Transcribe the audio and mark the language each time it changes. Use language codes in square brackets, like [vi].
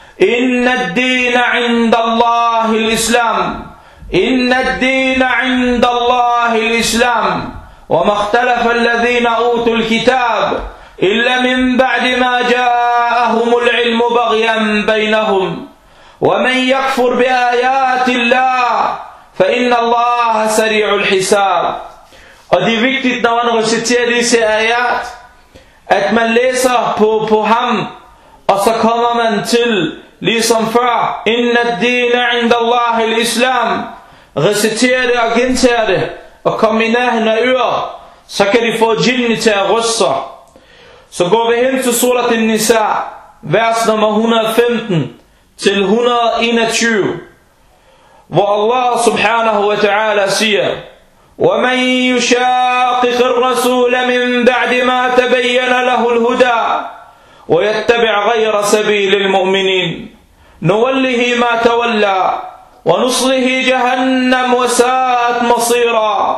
[ar] إن الدين عند الله الإسلام إن الدين عند الله الإسلام وما اختلف الذين أوتوا الكتاب إلا من بعد ما جاءهم العلم بغيا بينهم ومن يكفر بآيات الله فإن الله سريع الحساب. [da] Og det er vigtigt, når man reciterer disse ayat, at man læser på ham, og så kommer man til, ligesom før, [ar] إن الدين عند الله الإسلام. [da] Reciterer det og gentager det, og kom i nærheden af ører, så kan de få jinni til at ryste sig. Så går vi hen til Surat al-Nisa, vers nummer 115. Til 121, hvor Allah subhanahu wa ta'ala siger, [ar] وَمَنْ يُشَاقِقِ الرَّسُولَ مِنْ بَعْدِ مَا تَبَيَّنَ لَهُ الْهُدَى وَيَتَّبِعْ غَيْرَ سَبِيلِ الْمُؤْمِنِينَ نُوَلِّهِ مَا تَوَلَّى وَنُصْلِهِ جَهَنَّمْ وَسَاءَتْ مَصِيرًا